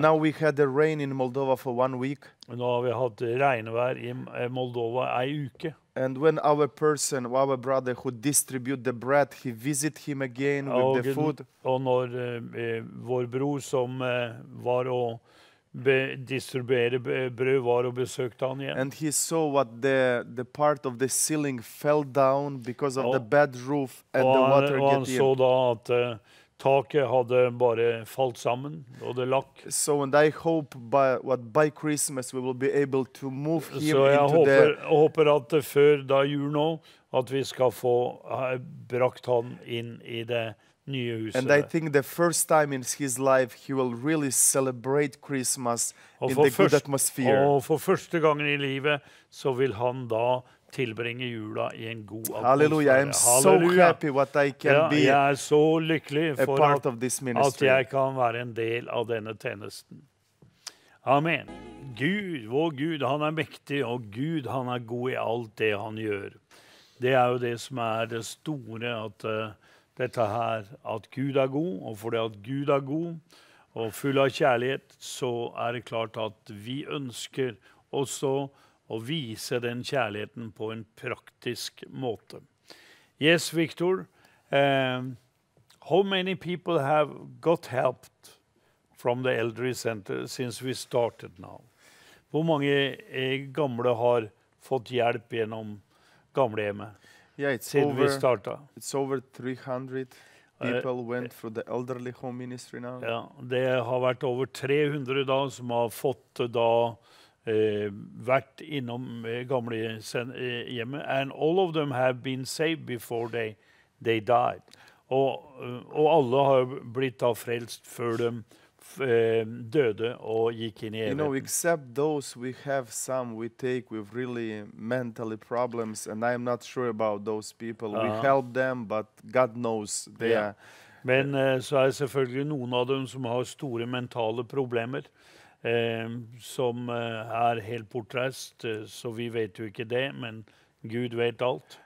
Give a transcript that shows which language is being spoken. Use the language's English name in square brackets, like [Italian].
[English] Now we had the rain in Moldova for 1 week. [Norwegian] Nå har vi hatt regnvær i Moldova en uke. [English] And when our brother who distribute the bread, he visit him again with the food. [Norwegian] Og når vår bror som var og distribuere brød var og besøkte han igjen. [English] And he saw what the part of the ceiling fell down because of the bad roof and the water getting in. [Norwegian] Og han så da at taket hadde bare falt sammen, og det lakk. [English] So and I hope by Christmas we will be able to move him into [Norwegian] Håper at før da jul nå, at vi skal få brakt han inn i det nye huset. [English] And I think the first time in his life he will really celebrate Christmas in the good atmosphere. [Norwegian] Og for første gangen i livet så vil han da tilbringe jula i en god atmosfære. [English] Halleluja, I am so happy what I can be. [Norwegian] Ja, jeg så lykkelig at jeg kan være en del av denne tjenesten. Amen. Gud, vår Gud, han er mektig, og Gud, han er god i alt det han gjør. Det er jo det som er det store, at dette her, at Gud er god, og fordi at Gud er god og full av kjærlighet, så er det klart at vi ønsker også å vise den kjærligheten på en praktisk måte. [English] Yes, Victor. How many people have got helped from the elderly center since we started now? [Norwegian] Hvor mange gamle har fått hjelp gjennom gamlehjemmet? [English] Yeah, it's over 300 people went through the elderly home ministry now. [Norwegian] Ja, det har vært over 300 da som har fått da vært innom gamle hjemmet, [English] and all of them have been saved before they died. [Norwegian] Og alle har blitt da frelst før de døde og gikk inn i evigheten. [English] You know, except those we have some we take with really mentally problems, and I'm not sure about those people. We help them, but God knows they are. [Norwegian] Men så er det selvfølgelig noen av dem som har store mentale problemer, som er helt bortreist, så vi vet jo ikke det, men Gud vet alt.